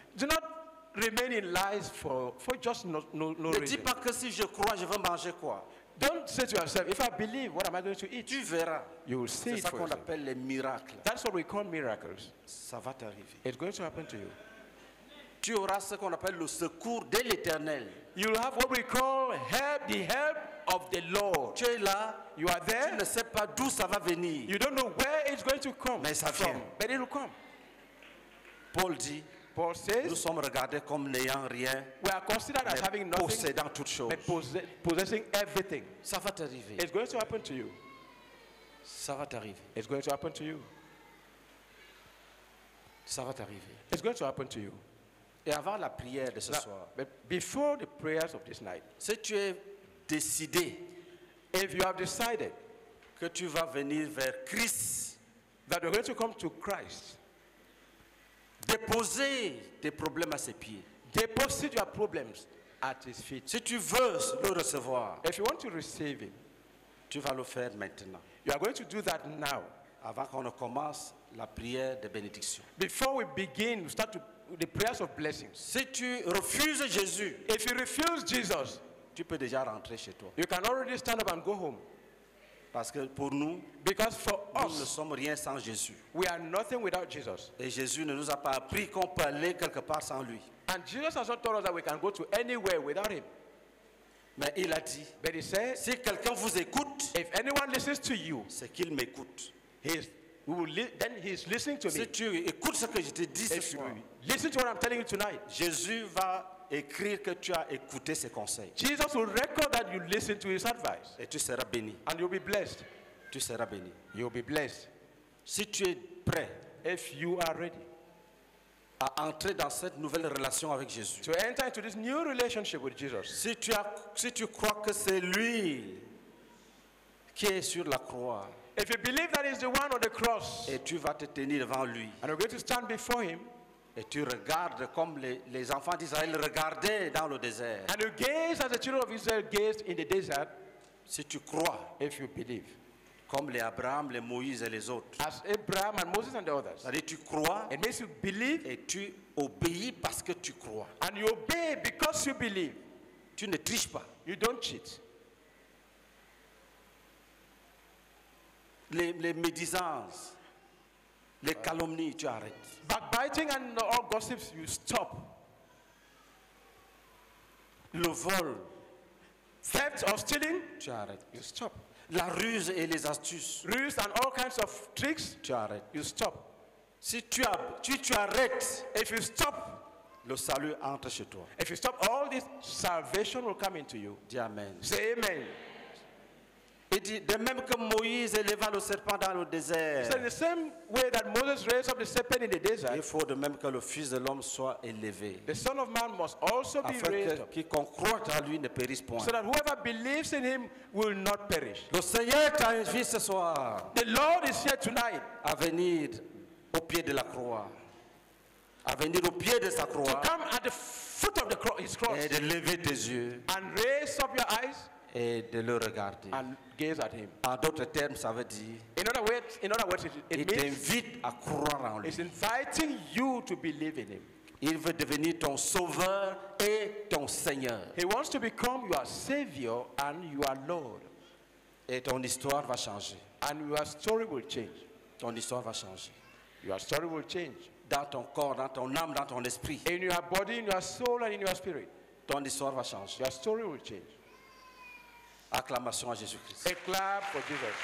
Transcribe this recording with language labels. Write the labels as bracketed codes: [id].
[en] Do not remain in lies for just no [fr] ne [en] reason. [fr] Dis pas que si je crois, je vais manger quoi. [en] Don't say to yourself, if I believe, what am I going to eat? [fr] Tu verras. [en] You will see. [fr] C'est ça qu'on [en] yourself. [fr] Appelle les miracles. [en] That's what we call miracles. [fr] Ça va t'arriver. [en] It's going to happen to you. [fr] Tu auras ce qu'on appelle le secours de l'Éternel. [en] You will have what we call help, the help of the Lord. [fr] Tu es là. [en] You are there. [fr] Tu ne sais pas d'où ça va venir. [en] You don't know where it's going to come. [fr] Mais ça vient. [en] But it will come. [fr] Paul dit. [en] Paul says, [fr] nous sommes regardés comme n'ayant rien. [en] We are considered as having nothing. [fr] Possédant toutes choses. [en] But possessing everything. [fr] Ça va t'arriver. [en] It's going to happen to you. [fr] Ça va t'arriver. [en] It's going to happen to you. [fr] Ça va t'arriver. [en] It's going to happen to you. [fr] Et avant la prière de ce soir. [en] But before the prayers of this night. [fr] Si tu es décidé, [en] if you have decided [fr] que tu vas venir vers Christ, [en] that you're going to come to Christ. [fr] Déposer tes problèmes à ses pieds. Dépose tes problèmes à ses pieds. Si tu veux le recevoir, [en] if you want to receive him, [fr] tu vas le faire maintenant. [en] You are going to do that now. [fr] Avant qu'on ne commence la prière de bénédiction. [en] Before we begin, we start to the prayers of blessings. [fr] Si tu refuses Jésus, [en] if you refuse Jesus, [fr] tu peux déjà rentrer chez toi. [en] You can already stand up and go home. [fr] Parce que pour nous, [en] because for [fr] nous [en] us, [fr] ne sommes rien sans Jésus. [en] We are nothing without Jesus. [fr] Et Jésus ne nous a pas appris qu'on peut aller quelque part sans lui. [en] And Jesus has not told us that we can go to anywhere without him. [fr] Mais il a dit, [en] but he said, [fr] si quelqu'un vous écoute, [en] if anyone listens to you, [fr] c'est qu'il m'écoute. [en] Then he is listening to [fr] si [en] me. [fr] Si tu écoutes ce que je te dis ce soir, [en] listen to what I'm telling you tonight. [fr] Jésus va écrire que tu as écouté ses conseils. [en] Jesus will record that you listen to his advice. [fr] Et tu seras béni. [en] And you'll be blessed. [fr] Tu seras béni. [en] You'll be blessed. [fr] Si tu es prêt, [en] if you are ready, [fr] à entrer dans cette nouvelle relation avec Jésus. [en] To enter into this new relationship with Jesus. [fr] Si tu crois que c'est lui qui est sur la croix. [en] If you believe that he's the one on the cross. [fr] Et tu vas te tenir devant lui. [en] And you're going to stand before him. [fr] Et tu regardes comme les enfants d'Israël regardaient dans le désert. [en] And you gaze as the children of Israel gazed in the desert. [fr] Si tu crois, [en] if you believe, [fr] comme les Abraham, les Moïse et les autres. [en] As Abraham and Moses and the others. [fr] C'est-à-dire tu crois. [en] It makes you believe. [fr] Et tu obéis parce que tu crois. [en] And you obey because you believe. [fr] Tu ne triches pas. [en] You don't cheat. [fr] Les médisances, les calomnies, tu arrêtes. [en] Backbiting and all gossips, you stop. [fr] Le vol, [en] theft or stealing, [fr] tu arrêtes. [en] You stop. [fr] La ruse et les astuces, [en] ruse and all kinds of tricks, [fr] tu arrêtes. [en] You stop. [fr] Si tu arrêtes, [en] if you stop, [fr] le salut entre chez toi. [en] If you stop, all this salvation will come into you. [fr] Dis amen. [en] Say amen. [fr] Il dit de même que Moïse éleva le serpent dans le désert. [en] So the same way that Moses raised up the serpent in the desert. [fr] Il faut de même que le fils de l'homme soit élevé. [en] The son of man must also be raised. [fr] Afin que quiconque croit en lui ne périsse point. [en] So that whoever believes in him will not perish. [fr] Le Seigneur t'invite ce soir. [en] The Lord is here tonight. [fr] À venir au pied de la croix. À venir au pied de sa croix. [en] To come at the foot of his cross. [fr] Et de lever tes yeux. [en] And raise up your eyes. [fr] Et de le regarder. [en] And gaze at him. [fr] En d'autres termes, ça veut dire. [en] In other words, it means. [fr] Il t'invite à croire en lui. [en] He's inviting you to believe in him. [fr] Il veut devenir ton sauveur et ton Seigneur. [en] He wants to become your Savior and your Lord. [fr] Et ton histoire va changer. [en] And your story will change. [fr] Ton histoire va changer. [en] Your story will change. [fr] Dans ton corps, dans ton âme, dans ton esprit. [en] In your body, in your soul, and in your spirit. [fr] Ton histoire va changer. [en] Your story will change. [fr] Acclamation à Jésus-Christ. Acclame pour Jésus.